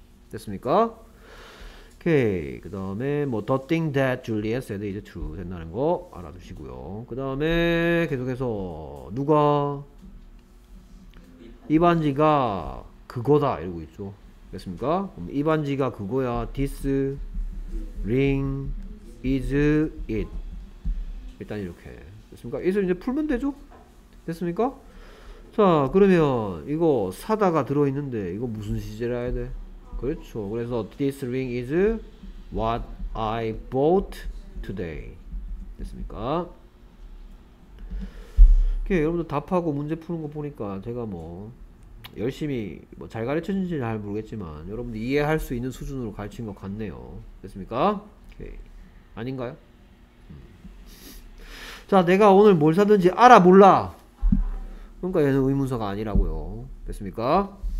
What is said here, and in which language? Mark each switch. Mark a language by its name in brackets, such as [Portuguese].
[Korean] 됐습니까? 오케이. 그 다음에 뭐 [English] the thing that Juliet said [Korean] 이제 true 된다는 거 알아두시고요. 그 다음에 계속해서 누가 이 반지가 그거다 이러고 있죠. 됐습니까? 그럼 이 반지가 그거야. [English] This ring is it. [Korean] 일단 이렇게 됐습니까? 이제 풀면 되죠? 됐습니까? 자, 그러면 이거 사다가 들어 있는데 이거 무슨 시제라 해야 돼? 그렇죠. 그래서 [English] this ring is what I bought today. [Korean] 됐습니까? 이렇게 여러분들 답하고 문제 푸는 거 보니까 제가 뭐 열심히 뭐잘 가르쳐 주는지 잘 모르겠지만 여러분들 이해할 수 있는 수준으로 가르친 것 같네요. 됐습니까? 오케이. 아닌가요? 자, 내가 오늘 뭘 샀는지 알아 몰라. 그러니까 얘는 의문사가 아니라고요. 됐습니까?